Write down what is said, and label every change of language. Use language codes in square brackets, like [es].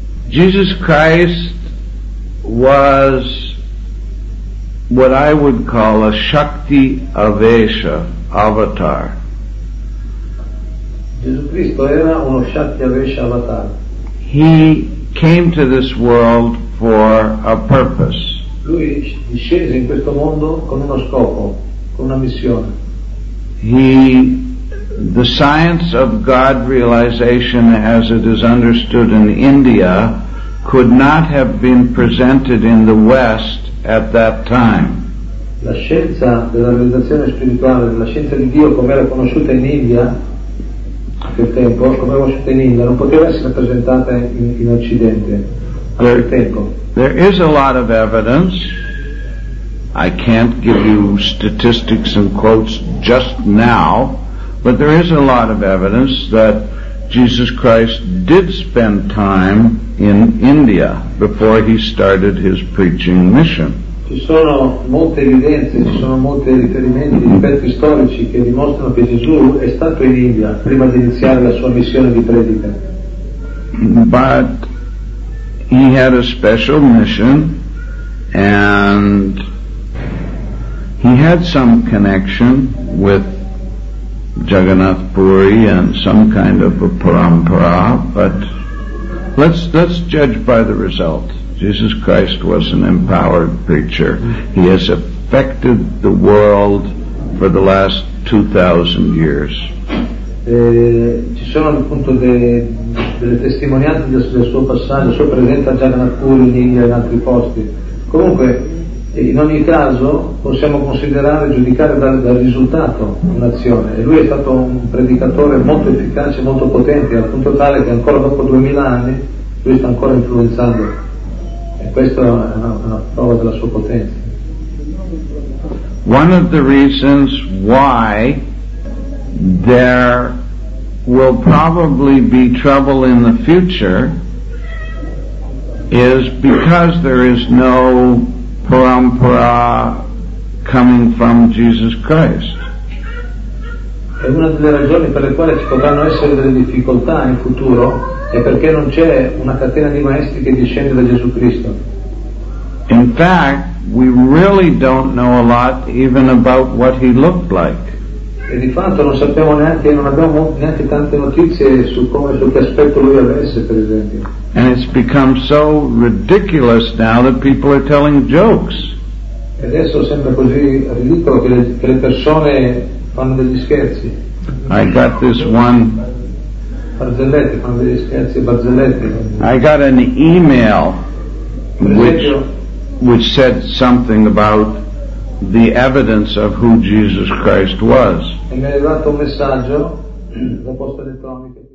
[en] Jesus Christ was what I would call a Shakti Avesha avatar. [it] Gesù Cristo era uno Shakti Avesha avatar. [en] He came to this world for a purpose. [it] Lui discese in questo mondo con uno scopo, con una missione. [en] The science of God realization as it is understood in India could not have been presented in the West at that time. [it] La scienza della realizzazione spirituale, la scienza di Dio come era conosciuta in India a quel tempo, come era conosciuta in India, non poteva essere presentata in Occidente a quel tempo. [en] There is a lot of evidence. I can't give you statistics and quotes just now, but there is a lot of evidence that Jesus Christ did spend time in India before he started his preaching mission. [it] Ci sono molte evidenze, ci sono molti riferimenti, riferimenti storici che dimostrano che Gesù è stato in India prima di iniziare la sua missione di predica. [en] But he had a special mission, and he had some connection with Jagannath Puri and some kind of a parampara, but let's judge by the result. Jesus Christ was an empowered preacher. He has affected the world for the last 2,000 years. [it] Ci sono appunto delle testimonianze del suo passaggio, della sua presenza a Jagannath Puri in India e in altri posti. Comunque, in ogni caso, possiamo considerare, giudicare dal risultato un'azione. E lui è stato un predicatore molto efficace, molto potente, al punto tale che ancora dopo 2000 anni lui sta ancora influenzando. E questa è una prova della sua potenza. [en] One of the reasons why there will probably be trouble in the future is because there is no parampara coming from Jesus Christ. [it] È una delle ragioni per le quali ci potranno essere delle difficoltà in futuro è perché non c'è una catena di maestri che discende da Gesù Cristo. [en] In fact, we really don't know a lot even about what he looked like. [it] E di fatto non sappiamo neanche, non abbiamo neanche tante notizie su come, su che aspetto lui avesse, per esempio. [en] And it's become so ridiculous now that people are telling jokes. [it] E adesso sembra così ridicolo che le persone fanno degli scherzi. [en] I got this one. [it] Barzellette fanno degli scherzi, barzellette. [en] I got an email which said something about the evidence of who Jesus Christ was. [it] E mi ha arrivato un messaggio, la posta elettronica.